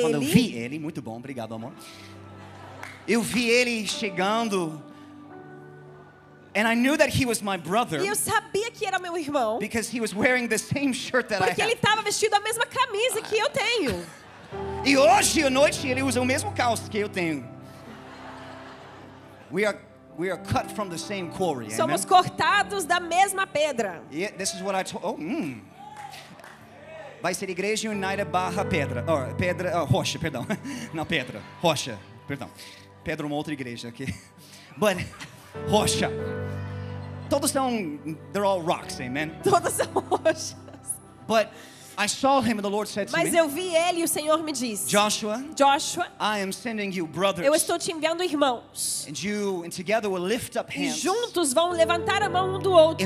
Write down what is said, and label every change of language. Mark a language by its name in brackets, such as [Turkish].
[Portuguese] Quando eu vi ele, muito bom, obrigado, amor. Eu vi ele chegando. [English] And I knew that he was my brother. [Portuguese] E eu sabia que era meu irmão. [English] Because he was wearing the same shirt that I had. [Portuguese] Porque ele estava vestindo a mesma camisa que eu tenho. E hoje à noite ele usa o mesmo calço que eu tenho. [English] We are cut from the same quarry. [Portuguese] Somos cortados da mesma pedra. [English] Yeah, this is what I told. [Portuguese] Vai ser Igreja Unida barra pedra. Rocha, perdão. Não, pedra. Rocha, perdão. Pedra, uma outra igreja aqui. [English] But [Portuguese] Rocha. Todos são. [English] They're all rocks, amen. [Portuguese] Todos são rochas. [English] But I saw him and the Lord said to me. [Portuguese] Mas eu vi ele e o Senhor me disse. [English] Joshua. I am sending you brothers. [Portuguese] Eu estou te enviando irmãos. [English] And together will lift up hands. [Portuguese] E juntos vão levantar a mão um do outro.